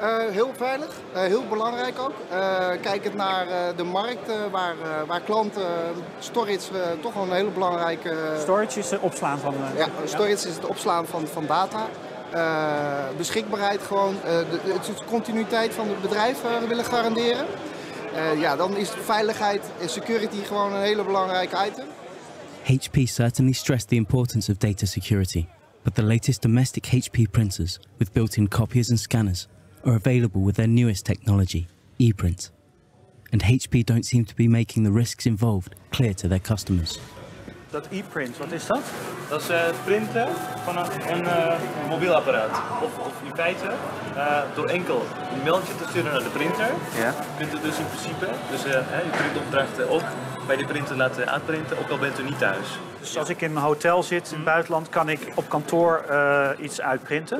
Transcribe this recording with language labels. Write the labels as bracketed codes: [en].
[nl] Heel veilig, heel belangrijk ook. Kijkend naar de markt waar klanten storage toch een hele belangrijke... Storage is het opslaan van... Storage is het opslaan van data. Beschikbaarheid gewoon, de continuïteit van het bedrijf willen garanderen. Dan is veiligheid en security gewoon een hele belangrijke item. [en] HP certainly stressed the importance of data security. But the latest domestic HP printers with built-in copiers and scanners are available with their newest technology, ePrint. And HP don't seem to be making the risks involved clear to their customers. [nl] Dat ePrint, wat is dat? Dat is het printen van een mobiel apparaat. Of in feite, door enkel een mailtje te sturen naar de printer, kunt u dus in principe, je printopdrachten ook bij de printer laten uitprinten, ook al bent u niet thuis. Dus als ik in een hotel zit in het buitenland, kan ik op kantoor iets uitprinten?